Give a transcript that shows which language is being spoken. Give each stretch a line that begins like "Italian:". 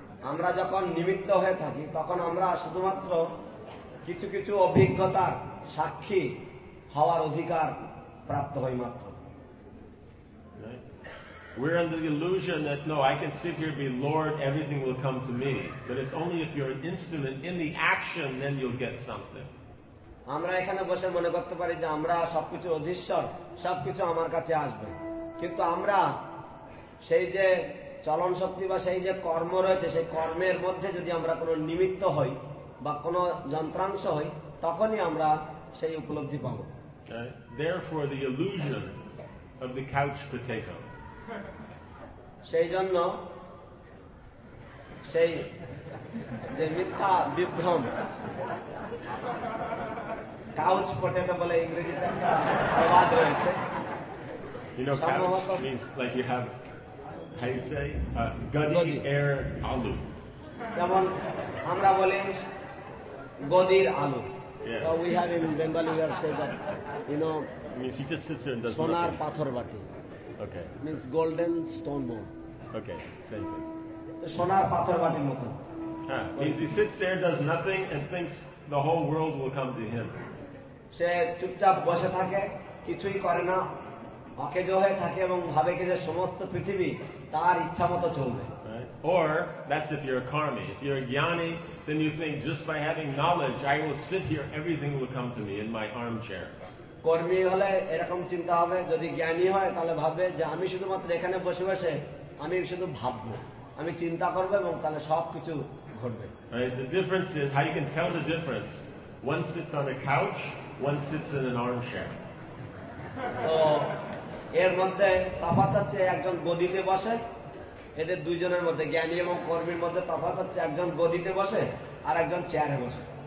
Bangla: আমরা যখন নিমিত্ত হয়ে থাকি তখন আমরা শুধুমাত্র কিছু কিছু অভিজ্ঞতার সাক্ষী হওয়ার অধিকার প্রাপ্ত হই মাত্র.
English: We're under the illusion that, no, I can sit here and be Lord, everything will come to me. But it's only if you're an instrument in the action, then you'll get something.
Bangla: আমরা এখানে বসে মনে করতে পারি যে আমরা সবকিছু অধীশ্বর, সবকিছু আমার কাছে আসবে। কিন্তু আমরা সেই যে চলন শক্তি বা সেই যে কর্ম রয়েছে সেই কর্মের মধ্যে যদি আমরা কোনো নিমিত্ত হই বা কোনো যন্ত্রাংশ হই তখনই আমরা সেই উপলব্ধি পাব।
English: Therefore, the illusion of the couch potato.
Bangla: সেই জন্য সেই যে মিথ্যা বিভ্রম কাউচ পটেটো বলে ইংরেজিতে একটা প্রবাদ রয়েছে.
English: You know, couch means like you have, how you say,
Bangla: gadi air alu. যেমন আমরা বলি গদির আলু.
English: Yes. So we have in Bengali, we have said that, you know, means he just sits there and does nothing.
Bangla: Sonar pathor bati.
English: Okay. Means golden stone bowl. Okay, same thing.
Bangla: Sonar pathor bati moto.
English: Means he sits there, does nothing, and thinks the whole world will come to him.
Bangla: সে চুপচাপ বসে থাকে কিছুই করে না অকে জো হয়ে থাকে এবং ভাবে কি যে সমস্ত পৃথিবী তার ইচ্ছা মতো চলবে.
English: Or that's if you're a karmi. If you're a jnani, then you think just by having knowledge I will sit here, everything will come to me in my armchair.
Bangla: কর্মি হলে এরকম চিন্তা হবে, যদি জ্ঞানী হয় তাহলে ভাববে যে আমি শুধুমাত্র এখানে বসে বসে আমি শুধু ভাববো, আমি চিন্তা করবো এবং তাহলে সবকিছু ঘটবে.
English: The difference is how you can tell the difference. One sits on a couch, one sits in an armchair.
Bangla: তো এর মধ্যে তফাৎ হচ্ছে একজন গদিতে বসে, এদের দুইজনের মধ্যে জ্ঞানী এবং কর্মীর মধ্যে তফাৎ হচ্ছে একজন গদিতে বসে আর একজন চেয়ারে বসে.